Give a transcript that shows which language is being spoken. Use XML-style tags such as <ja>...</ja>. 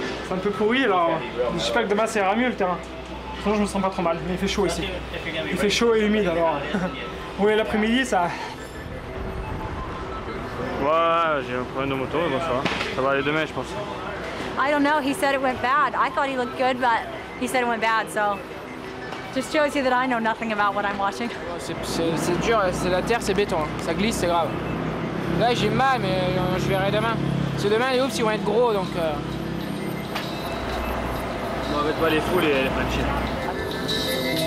<fr>Un peu pourri, alors je sais pas que demain ça ira mieux le terrain. Franchement, je me sens pas trop mal, mais il fait chaud ici. Il fait chaud et humide alors. Oui, l'après-midi ça. Ouais, j'ai un problème de moto, mais bon, ça va. Ça va aller demain, je pense.</fr> <en>I don't know, he said it went bad. I thought he looked good, but he said it went bad, so. Just shows you that I know nothing about what I'm watching.</en> <fr>C'est dur, c'est la terre, c'est béton, ça glisse, c'est grave. Là j'ai mal, mais je verrai demain. Parce que demain les hoops ils vont être gros donc. On va mettre pas les fous les machines.</fr>